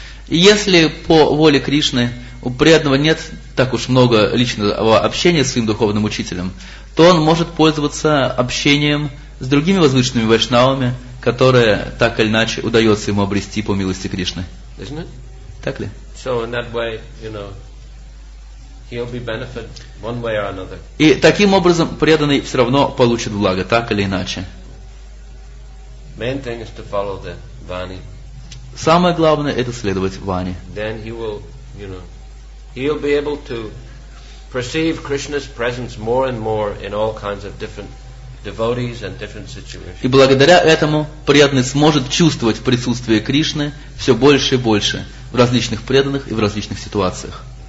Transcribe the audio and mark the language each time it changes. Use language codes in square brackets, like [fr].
[ru] Если по воле Кришны у преданного нет так уж много личного общения с своим духовным учителем, то он может пользоваться общением с другими возвышенными вайшнавами, которые так или иначе удается ему обрести по милости Кришны. Так ли? [en] So in that way, you know, he'll be benefit one way or another. [ru] И таким образом преданный все равно получит благо, так или иначе. [en] Main thing is to follow the vani. [ru] Самое главное – это следовать вани. [en] Then he will, you know, he'll be able to perceive Krishna's presence more and more in all kinds of different devotees and different situations. [ru] И благодаря этому преданный сможет чувствовать присутствие Кришны все больше и больше в различных преданных и в различных ситуациях.